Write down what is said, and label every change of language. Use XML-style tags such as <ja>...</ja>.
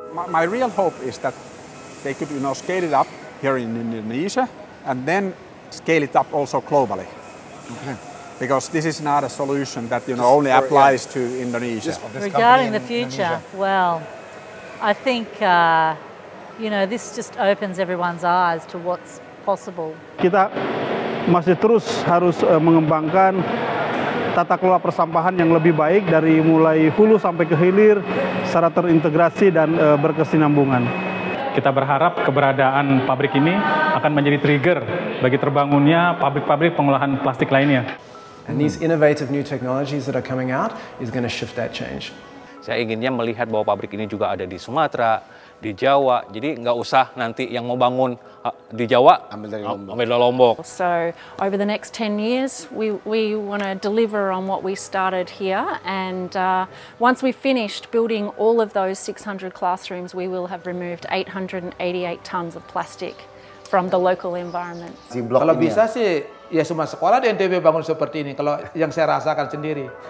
<en>My real hope is that they could, you know, scale it up here in Indonesia and then scale it up also globally. Okay. Because this is not a solution that, you know, only applies to Indonesia. Regarding the future, Indonesia. Well, I think, you know, this just opens everyone's eyes to what's possible.</en> <id>Kita masih terus harus mengembangkan tata kelola persampahan yang lebih baik dari mulai hulu sampai ke hilir secara terintegrasi dan berkesinambungan. Kita berharap keberadaan pabrik ini akan menjadi trigger bagi terbangunnya pabrik-pabrik pengolahan plastik lainnya.</id> <en>And these innovative new technologies that are coming out is going to shift that change.</en> <id>Saya inginnya melihat bahwa pabrik ini juga ada di Sumatera, di Jawa. Jadi nggak usah nanti yang mau bangun di Jawa ambil dari Lombok.</id> <en>So over the next 10 years, we want to deliver on what we started here. And once we finished building all of those 600 classrooms, we will have removed 888 tons of plastic from the local environment.</en> <id>Kalau bisa sih, ya semua sekolah di NTB bangun seperti ini. Kalau yang saya rasakan sendiri.</id>